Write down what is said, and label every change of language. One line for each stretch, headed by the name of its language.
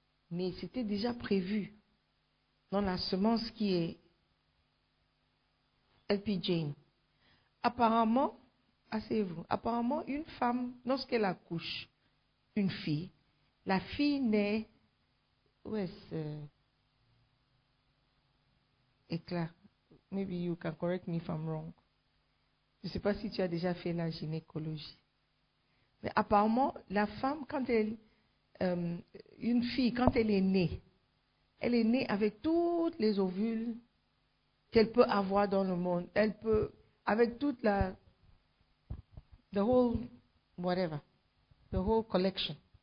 French: Mais c'était déjà prévu dans la semence qui est LP Jane. Apparemment, asseyez-vous, apparemment une femme, lorsqu'elle accouche une fille, la fille naît, où est-ce?
English: Éclair, maybe you can correct me if I'm wrong.
French: Je ne sais pas si tu as déjà fait la gynécologie. Mais apparemment, la femme, quand elle, une fille, quand elle est née avec toutes les ovules qu'elle peut avoir dans le monde. Elle peut, avec toute la,
English: the whole, whatever, the whole collection.